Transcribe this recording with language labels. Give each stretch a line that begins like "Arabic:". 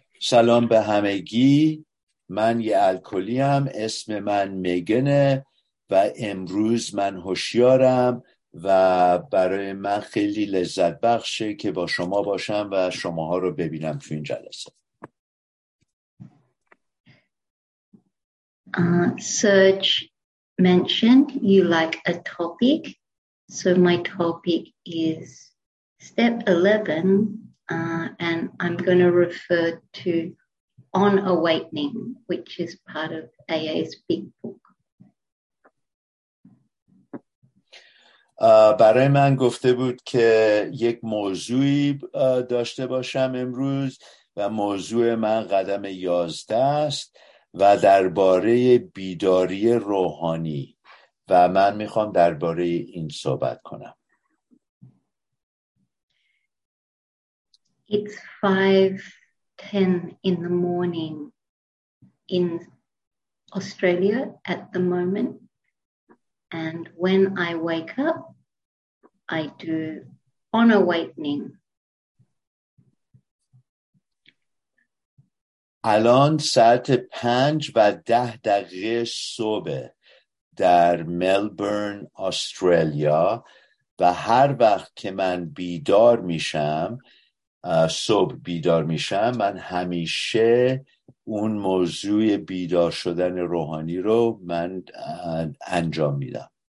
Persian: Salam be hamegi. من یه الکلیم، اسم من میگنه و امروز من هوشیارم و برای من خیلی لذت بخشه که با شما باشم و شماها رو ببینم تو این جلسه.
English: Serge mentioned you like a topic, so my topic is step 11 and I'm going to refer to On Awakening, which is part of AA's big book.
Persian: برای من گفته بود که یک موضوعی داشته باشم امروز و موضوع من قدم 11 است و درباره بیداری روحانی و من میخوام درباره این صحبت کنم.
English: It's 5:10 in the morning in Australia at the moment, and when I wake up, I do On Awakening.
Persian: الان ساعت 5:10 صبح در ملبورن استرالیا و هر وقت که من بیدار میشم، صبح بیدار میشم، من همیشه اون موضوع بیدار شدن روحانی رو من انجام میدم.